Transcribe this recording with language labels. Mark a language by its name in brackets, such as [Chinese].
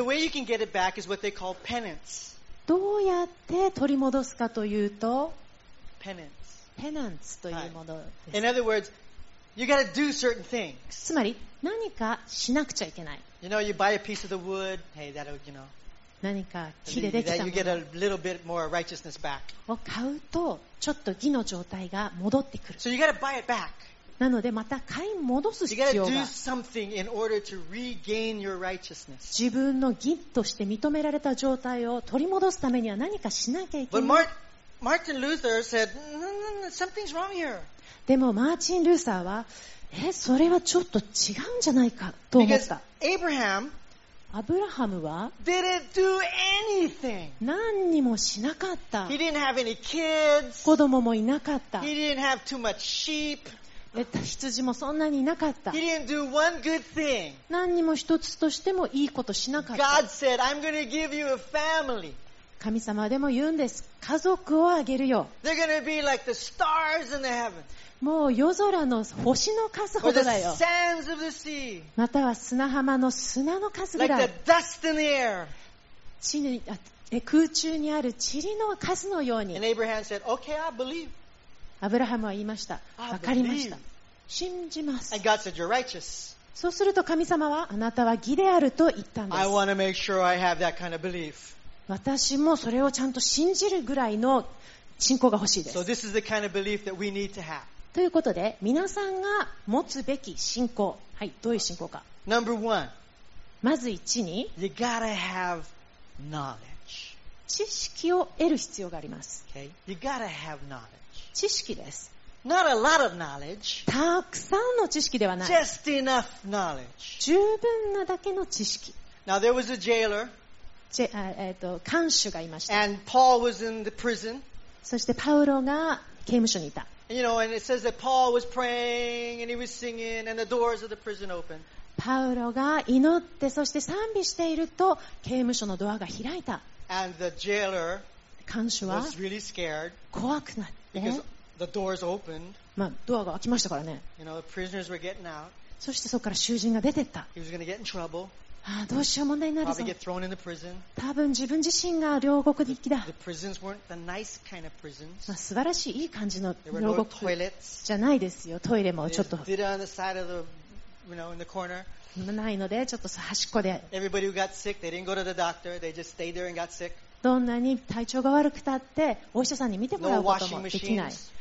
[English] And the way you can get it back is what they call penance. [Japanese] どうやって取り戻すかというと [English] PenanceP [Japanese] enance というものです。 [English] Right. In other words, you got to do certain things. [Japanese] つまり何かしなくちゃいけない。 [English] You know, you buy a piece of the wood. Hey, that'll, you know. [Japanese] 何か木でできたもの。 [English] You get a little bit more righteousness back. [Japanese] を買うとちょっと義の状態が戻ってくる。 [English] So you got to buy it back. [Japanese] なのでまた買い戻す必要が。 [English] You got to do something in order to regain your righteousness. [Japanese] 自分の義として認められた状態を取り戻すためには何かしなきゃいけない。 [English] But Mark, Martin Luther said, something's wrong here. [Japanese] でもマーチン・ルーサーは、それはちょっと違うんじゃないかと思った。 [English] Abraham, [Japanese] アブラハムは、 [English] didn't do anything. [Japanese] 何にもしなかった。 [English] He didn't have any kids. [Japanese] 子供もいなかった。 [English] He didn't have too much sheep. [Japanese] 羊もそんなにいなかった。 [English] He didn't do one good thing. [Japanese] 何にも一つとしてもいいことしなかった。 [English] God said, I'm going to give you a family. [Japanese] 神様でも言うんです。家族をあげるよ。 [English] They're going to be like the stars in the heaven. [Japanese] もう夜空の星の数ほどだよ。 [English] Or the sands of the sea. [Japanese] または砂浜の砂の数ぐらい。 [English] Like the dust in the air. [Japanese] 地に、空中にある塵の数のように。 [English] And Abraham said, okay, I believe. [Japanese] アブラハムは言いました。わかりました。信じます。 [English] And God said, you're righteous. [Japanese] そうすると神様はあなたは義であると言ったんです。 [English] I want to make sure I have that kind of belief. [Japanese] 私もそれをちゃんと信じるぐらいの信仰が欲しいです。 [English] So this is the kind of belief that we need to have. [Japanese] ということで、皆さんが持つべき信仰。はい、どういう信仰か。 [English] Number one. [Japanese] まず一に、 [English] you gotta have knowledge. [Japanese] 知識を得る必要があります。 [English] Okay? You gotta have knowledge. [Japanese] 知識です。 [English] Not a lot of knowledge. [Japanese] たくさんの知識ではない。 [English] Just enough knowledge. [Japanese] 十分なだけの知識。 [English] Now there was a jailer. [Japanese] 監守がいました。 [English] And Paul was in the prison. [Japanese] そしてパウロが刑務所にいた。 [English] You know, and it says that Paul was praying and he was singing and the doors of the prison opened. [Japanese] パウロが祈ってそして賛美していると刑務所のドアが開いた。 [English] And the jailer [Japanese] 監守は [English] was really scared. [Japanese] 怖くなった。 [English] Because the doors opened. [Japanese] まあ、ドアが開きましたからね。 [English] You know, the prisoners were getting out. [Japanese] そしてそこから囚人が出てった。 [English] He was going to get in trouble. [Japanese] ああ、どうしよう、問題になるぞ。 [English] Probably get thrown in the prison. [Japanese] 多分自分自身が牢獄に行きだ。 [English] The prisons weren't the nice kind of prisons. [Japanese] まあ、素晴らしい、いい感じの牢獄じゃないですよ。トイレもちょっと。 [English] Did it on the side of the, you know, in the corner. [Japanese] ないので、ちょっと端っこで。 [English] Everybody who got sick, they didn't go to the doctor. They just stayed there and got sick. [Japanese] どんなに体調が悪くたってお医者さんに見てもらうこともできない。